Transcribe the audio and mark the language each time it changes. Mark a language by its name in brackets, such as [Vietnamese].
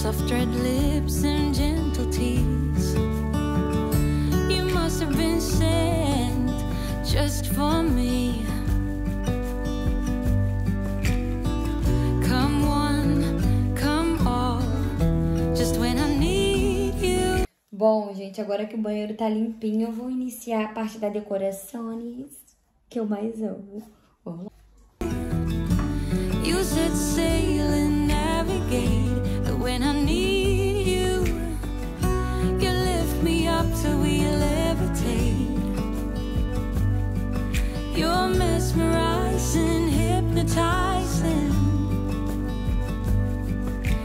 [English] Red lips and gentle tears. You must have been sent just for me. Come one, come all, just when I need you. [Portuguese] Bom, gente, agora que o banheiro tá limpinho, eu vou iniciar a parte da decoração que eu mais amo. Vamos lá. [English] You said sail and navigate. When I need you, you lift me up till we levitate. You're mesmerizing, hypnotizing.